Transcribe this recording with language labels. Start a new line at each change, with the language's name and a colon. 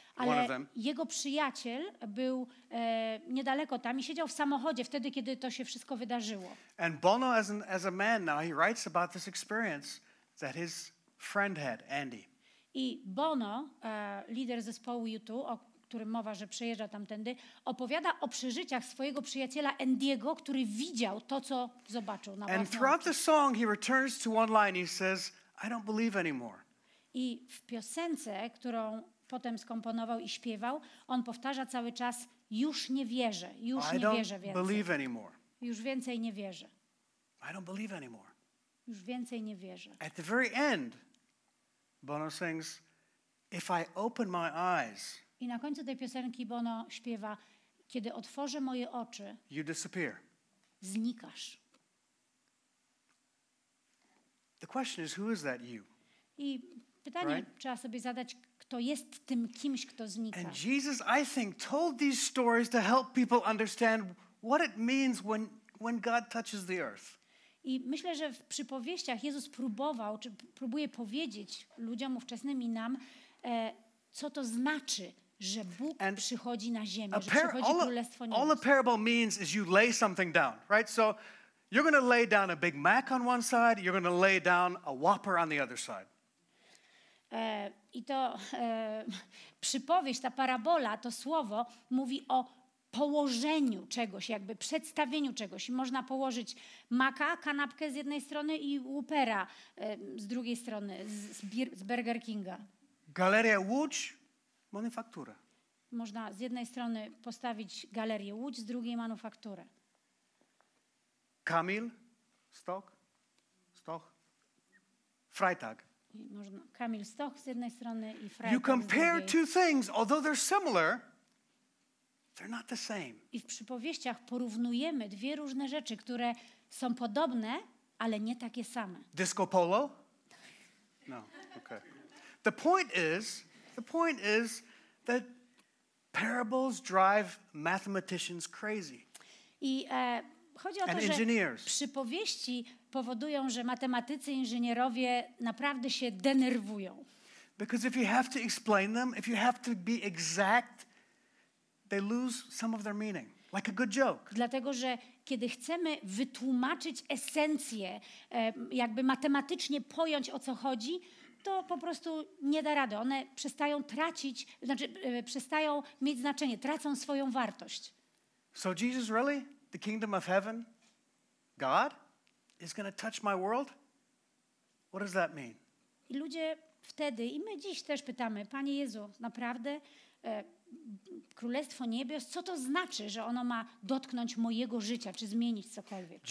Polish: Ale jego przyjaciel był niedaleko tam i siedział w samochodzie wtedy, kiedy to się wszystko wydarzyło.
English: And Bono as a man now he writes about this experience that his friend had, Andy.
Polish: I Bono, lider zespołu U2, o którym mowa, że przejeżdża tamtędy, opowiada o przeżyciach swojego przyjaciela Andy'ego, który widział to, co zobaczył na własne oczy.
English: And throughout the song he returns to one line he says, I don't believe anymore.
Polish: I w piosence, którą potem skomponował i śpiewał, on powtarza cały czas, już nie wierzę, już nie wierzę więcej.
English: Believe anymore.
Polish: Już więcej nie wierzę.
English: I don't believe anymore.
Polish: Już więcej nie wierzę.
English: At the very end, Bono sings, if I open my eyes,
Polish: i na końcu tej piosenki Bono śpiewa, kiedy otworzę moje oczy,
English: you disappear.
Polish: Znikasz.
English: The question is, who is that you?
Polish: I pytanie
English: right?
Polish: Trzeba sobie zadać, kto jest tym kimś, kto znika.
English: And Jesus, I think, told these stories to help people understand what it means when God touches the earth.
Polish: I myślę, że w przypowieściach Jezus próbował, czy próbuje powiedzieć ludziom ówczesnym i nam, co to znaczy, że Bóg
English: and
Polish: przychodzi na ziemię, że przychodzi Królestwo Niebios.
English: All a parable means is you lay something down, right? So you're going to lay down a Big Mac on one side, you're going to lay down a Whopper on the other side.
Polish: I to przypowieść, ta parabola, to słowo mówi o położeniu czegoś, jakby przedstawieniu czegoś. Można położyć maka, kanapkę z jednej strony i Whoppera z drugiej strony, z Burger Kinga. Galeria Łódź, manufaktura. Można z jednej strony postawić Galerię Łódź, z drugiej manufakturę. Kamil, Stoch, Freitag. Można Kamil Stoch z jednej strony i Freitag.
English: You compare two things, although they're similar, they're not the same.
Polish: I w przypowieściach porównujemy dwie różne rzeczy, które są podobne, ale nie takie same.
English: Disco polo? No, okay. The point is that parables drive mathematicians crazy.
Polish: I chodzi o to, że przypowieści powodują, że matematycy, inżynierowie naprawdę się denerwują.
English: Because if you have to explain them, if you have to be exact, they lose some of their meaning, like a good joke.
Polish: Dlatego, że kiedy chcemy wytłumaczyć esencję, jakby matematycznie pojąć, o co chodzi, to po prostu nie da rady. One przestają tracić, znaczy przestają mieć znaczenie, tracą swoją wartość.
English: So Jesus really, the kingdom of heaven, God is going to touch my world? What does that mean?
Polish: I ludzie wtedy i my dziś też pytamy, Panie Jezu, naprawdę Królestwo Niebios, co to znaczy, że ono ma dotknąć mojego życia, czy zmienić cokolwiek?